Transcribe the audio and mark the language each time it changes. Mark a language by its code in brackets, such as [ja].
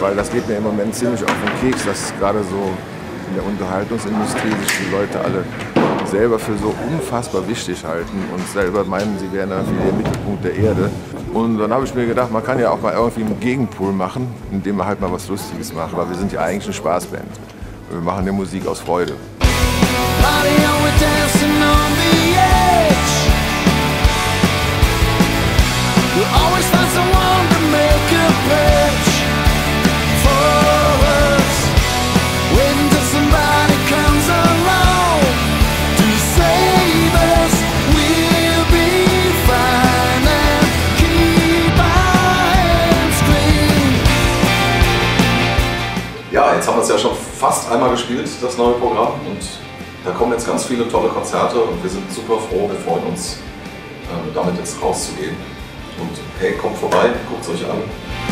[de] Weil das geht mir im Moment ziemlich auf den Keks, dass gerade so in der Unterhaltungsindustrie sich die Leute alle selber für so unfassbar wichtig halten und selber meinen, sie wären irgendwie der Mittelpunkt der Erde. Und dann habe ich mir gedacht, man kann ja auch mal irgendwie einen Gegenpol machen, indem man halt mal was Lustiges macht. Weil wir sind ja eigentlich eine Spaßband. Wir machen ja Musik aus Freude. [en] Party on, we're dancing on the edge. We'll always find someone to make a pledge for us. Waiting till somebody comes along to save us. We'll be fine and keep our hands clean. [de] Ja, jetzt haben wir es ja schon fast einmal gespielt, das neue Programm. Und da kommen jetzt ganz viele tolle Konzerte und wir sind super froh, wir freuen uns, damit jetzt rauszugehen. Und hey, kommt vorbei, guckt es euch an.